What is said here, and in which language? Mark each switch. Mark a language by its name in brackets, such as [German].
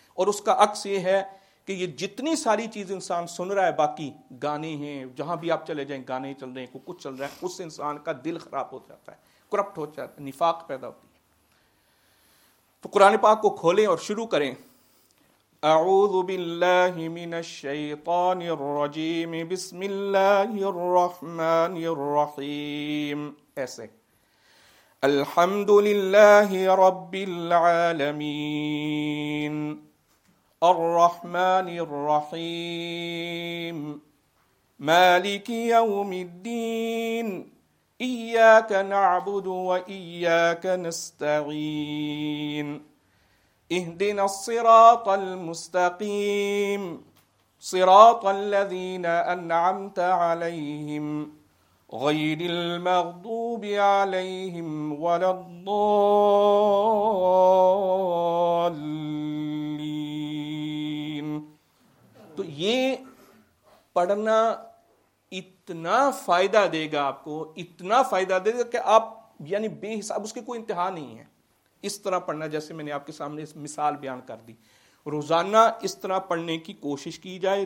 [Urdu] اور اس کا عکس یہ ہے کہ یہ جتنی ساری چیز انسان سن رہا ہے, باقی گانے ہیں, جہاں بھی آپ چلے جائیں گانے چل رہے ہیں, کوئی کچھ چل رہا ہے, اس سے انسان کا دل خراب ہو جاتا ہے, کرپٹ ہو جاتا ہے, نفاق پیدا ہوتی ہے. تو قرآن پاک کو کھولیں اور شروع کریں. [Arabic] اعوذ باللہ من الشیطان الرجیم, بسم اللہ الرحمن الرحیم, [Urdu] ایسے. [Arabic] الحمد لله رب العالمين الرحمن الرحيم مالك يوم الدين إياك نعبد وإياك نستعين اهدنا الصراط المستقيم صراط الذين أنعمت عليهم غير المغضوب عليهم ولا الضالين. [Urdu] تو یہ پڑھنا اتنا فائدہ دے گا آپ کو, اتنا فائدہ دے گا کہ آپ یعنی بے حساب, اس کی کوئی انتہا نہیں ہے. اس طرح پڑھنا جیسے میں نے آپ کے سامنے اس مثال بیان کر دی, روزانہ اس طرح پڑھنے کی کوشش کی جائے.